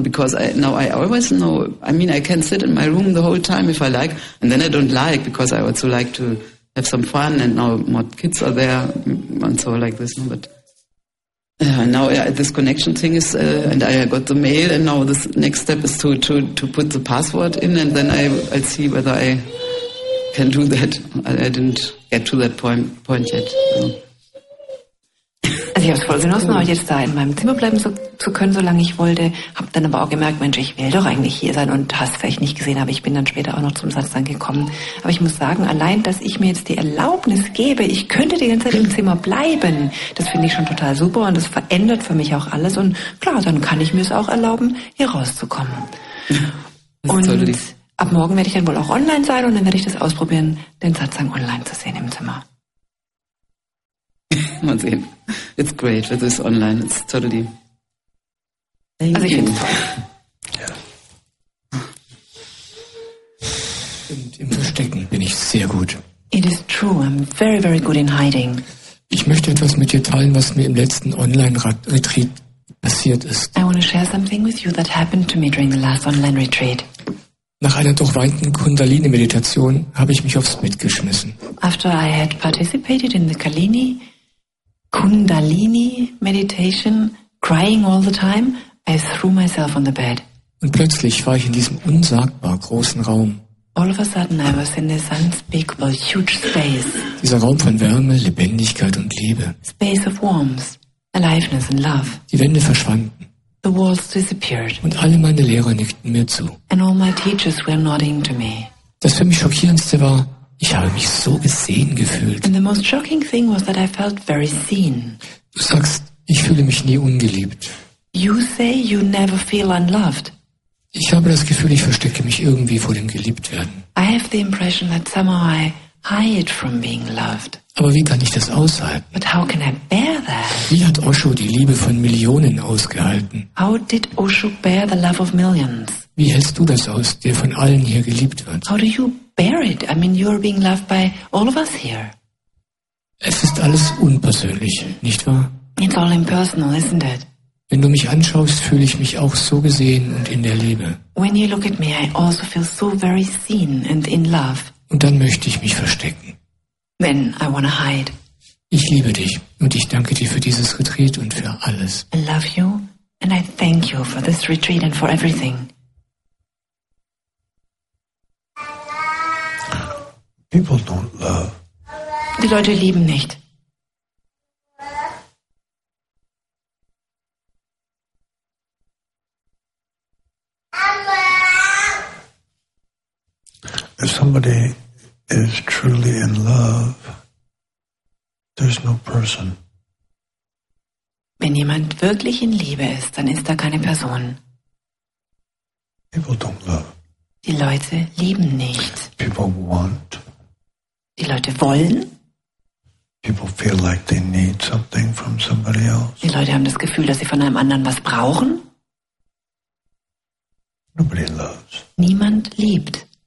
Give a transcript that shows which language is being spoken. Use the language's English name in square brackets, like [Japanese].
[English] Because I always know, I mean, I can sit in my room the whole time if I like, and then I don't like, because I also like to have some fun, and now more kids are there, and so like this, no? But now this connection thing is, and I got the mail, and now the next step is to put the password in, and then I'll see whether I can do that. I didn't get to that point yet, so. [German] Also ich habe es voll genossen, heute jetzt da in meinem Zimmer bleiben zu können, solange ich wollte. Habe dann aber auch gemerkt, Mensch, ich will doch eigentlich hier sein und hast vielleicht nicht gesehen, aber ich bin dann später auch noch zum Satz dann gekommen. Aber ich muss sagen, allein, dass ich mir jetzt die Erlaubnis gebe, ich könnte die ganze Zeit im Zimmer bleiben, das finde ich schon total super und das verändert für mich auch alles. Und klar, dann kann ich mir es auch erlauben, hier rauszukommen. Und ab morgen werde ich dann wohl auch online sein und dann werde ich das ausprobieren, den Satzang online zu sehen im Zimmer. Mal sehen. [English] It's great, with this online. It's totally. [German] Also ich finde. Ja. Im Verstecken bin ich sehr gut. [English] It is true. I'm very, very good in hiding. [German] Ich möchte etwas mit dir teilen, was mir im letzten Online-Retreat passiert ist. [English] I want to share something with you that happened to me during the last online retreat. [German] Nach einer durchweinten Kundalini-Meditation habe ich mich aufs Bett geschmissen. [English] After I had participated in the Kundalini meditation, crying all the time, I threw myself on the bed. [German] Und plötzlich war ich in diesem unsagbar großen Raum. [English] All of a sudden I was in this unspeakable huge space. [German] Dieser Raum von Wärme, Lebendigkeit und Liebe. [English] Space of warmth, aliveness and love. [German] Die Wände verschwanden. [English] The walls disappeared. [German] Und alle meine Lehrer nickten mir zu. [English] And all my teachers were nodding to me. [German] Das für mich Schockierendste war, ich habe mich so gesehen gefühlt. [English] And the most shocking thing was that I felt very seen. [German] Du sagst, ich fühle mich nie ungeliebt. [English] You say you never feel unloved. [German] Ich habe das Gefühl, ich verstecke mich irgendwie vor dem Geliebtwerden. [English] I have the impression that somehow I hide from being loved. [German] Aber wie kann ich das aushalten? [English] But how can I bear that? [German] Wie hat Osho die Liebe von Millionen ausgehalten? [English] How did Osho bear the love of millions? [German] Wie hältst du das aus, der von allen hier geliebt wird? [English] How do you bear it? I mean, you're being loved by all of us here. [German] Es ist alles unpersönlich, nicht wahr? [English] It's all impersonal, isn't it? [German] Wenn du mich anschaust, fühle ich mich auch so gesehen und in der Liebe. [English] When you look at me, I also feel so very seen and in love. [German] Und dann möchte ich mich verstecken. [English] Then I want to hide. [German] Ich liebe dich und ich danke dir für dieses Retreat und für alles. [English] I love you and I thank you for this retreat and for everything. People don't love. [German] Die Leute lieben nicht. [English] If somebody is truly in love, there's no person. [German] Wenn jemand wirklich in Liebe ist, dann ist da keine Person. [English] People don't love. [German] Die Leute lieben nicht. [English] People want. [German] Die Leute wollen. [English] People feel like they need something from somebody else. [German] Die Leute haben das Gefühl, dass sie von einem anderen was brauchen. [English] Nobody loves. [German] Niemand liebt.